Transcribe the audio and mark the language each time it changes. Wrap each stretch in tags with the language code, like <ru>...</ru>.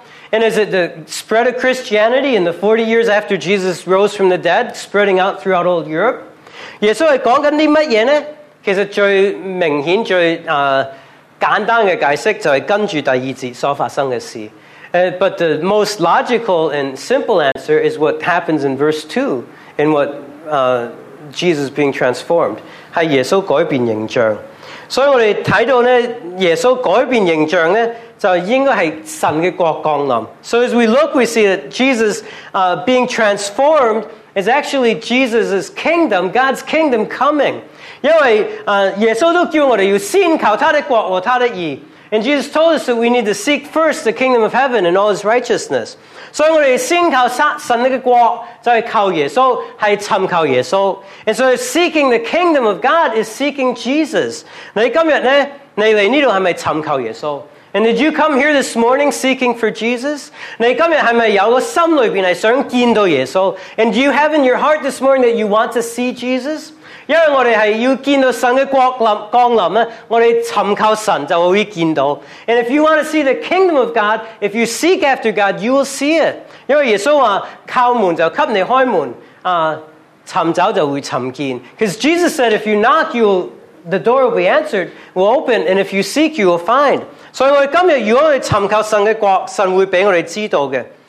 <en>And is it the spread of Christianity in the 40 years after Jesus rose from the dead, spreading out throughout all Europe?</en> <zh>耶稣是讲什么呢? 其实最明显、最简单的解释就是跟着第二节所发生的事。</zh> <en>But the most logical and simple answer is what happens in verse 2 in what Jesus being transformed.</en> <zh>是耶稣改变形象。所以我们看到耶稣改变形象就应该是神的国降临。</zh> <en>So as we look, we see that Jesus being transformed is actually Jesus' kingdom, God's kingdom coming.</en> <zh>因为耶稣都叫我们要先求他的国和他的义。</zh> <en>And Jesus told us that we need to seek first the kingdom of heaven and all his righteousness. So seeking the kingdom of God is seeking Jesus. And did you come here this morning seeking for Jesus? And do you have in your heart this morning that you want to see Jesus?</en> <zh>因为我们是要见到神的国降临，我们寻求神就会见到。</zh> <en>And if you want to see the kingdom of God, if you seek after God, you will see it.</en> <zh>因为耶稣说，敲门就给你开门，寻找就会寻见。</zh> <en>Because Jesus said, if you knock, the door will be answered, will open, and if you seek, you will find.</en> <zh>所以我们今天如果我们寻求神的国，神会给我们知道的。</zh>